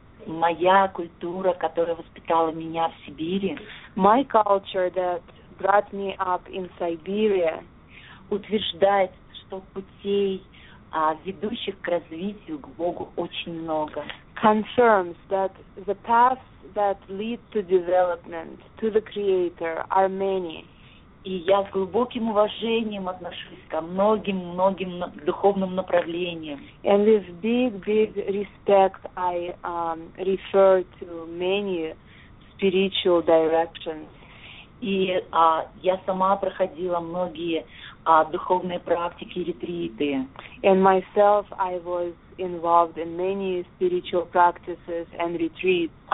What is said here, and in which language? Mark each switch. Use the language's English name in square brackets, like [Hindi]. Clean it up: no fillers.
[Russian] Моя культура, которая воспитала меня в Сибири. [English] My culture that brought me up in Siberia [Russian] утверждает, что путей ведущих к развитию к Богу очень много. [English] Confirms that the path that lead to development, to the Creator, are many. [Russian] И я с глубоким уважением отношусь ко многим-многим духовным направлениям. [English] And with big, big respect, I refer to many spiritual directions. [Russian] И я сама проходила многие духовные практики, ретриты. [English] And myself, I was involved in many spiritual practices and retreats.